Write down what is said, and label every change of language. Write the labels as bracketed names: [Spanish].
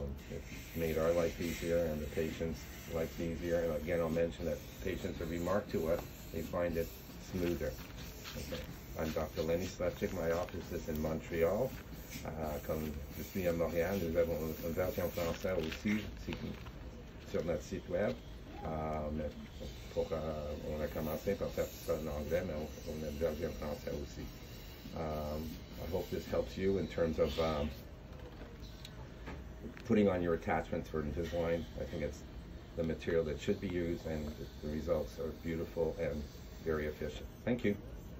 [English] It's made our life easier and the patient's life easier. And again, I'll mention that patients have remarked to us they find it smoother. Okay. I'm Dr. Lenny Slepchik. My office is in Montreal. [French] Comme je suis à Montréal, nous avons une version française aussi sur notre site web. On a commencé par faire ça en anglais, mais on a une version française aussi. [English] I hope this helps you in terms of putting on your attachments for Invisalign. I think it's the material that should be used, and the results are beautiful and very efficient. Thank you.